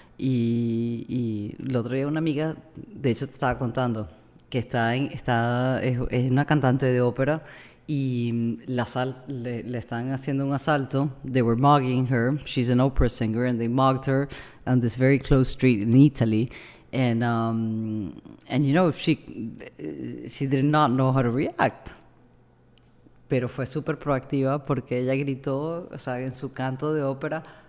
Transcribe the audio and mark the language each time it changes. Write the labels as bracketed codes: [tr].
[es] Y el otro día una amiga, de hecho te estaba contando, que es una cantante de ópera. Y le están haciendo un asalto. [en] They were mugging her. She's an opera singer and they mugged her on this very close street in Italy. And you know, she did not know how to react. [es] Pero fue súper proactiva porque ella gritó, o sea, en su canto de ópera.